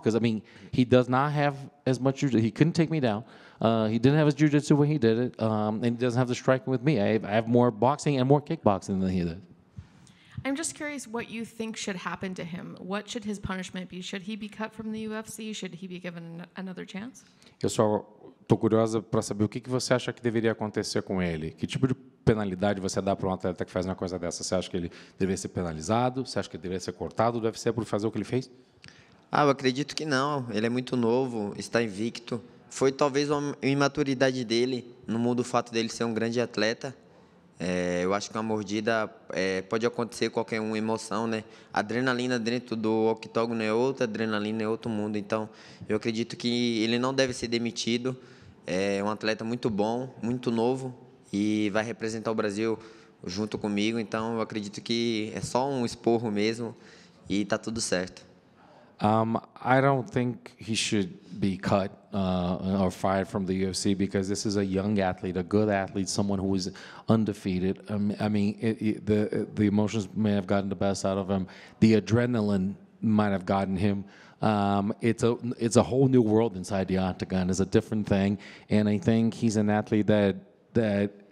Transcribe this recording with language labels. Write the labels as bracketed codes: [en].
[en] Because, I mean, he does not have as much. He couldn't take me down. He didn't have his jiu-jitsu when he did it, and he doesn't have the striking with me. I have more boxing and more kickboxing than he did. I'm just curious what you think should happen to him. What should his punishment be? Should he be cut from the UFC? Should he be given another chance? [pt] Eu só tô curiosa para saber o que você acha que deveria acontecer com ele. Que tipo de penalidade você dá para um atleta que faz uma coisa dessa? Você acha que ele deveria ser penalizado? Você acha que ele deveria ser cortado do UFC por fazer o que ele fez? Ah, eu acredito que não. Ele é muito novo, está invicto. Foi talvez uma imaturidade dele, não muda o fato dele ser um grande atleta. Eu acho que uma mordida pode acontecer qualquer uma emoção, né? Adrenalina dentro do octógono é outra, adrenalina é outro mundo. Então, eu acredito que ele não deve ser demitido. É um atleta muito bom, muito novo e vai representar o Brasil junto comigo. Então, eu acredito que é só um esporro mesmo e está tudo certo. [en] I don't think he should be cut or fired from the UFC because this is a young athlete, a good athlete, someone who is undefeated. The emotions may have gotten the best out of him. The adrenaline might have gotten him. It's a whole new world inside the octagon. It's a different thing. And I think he's an athlete that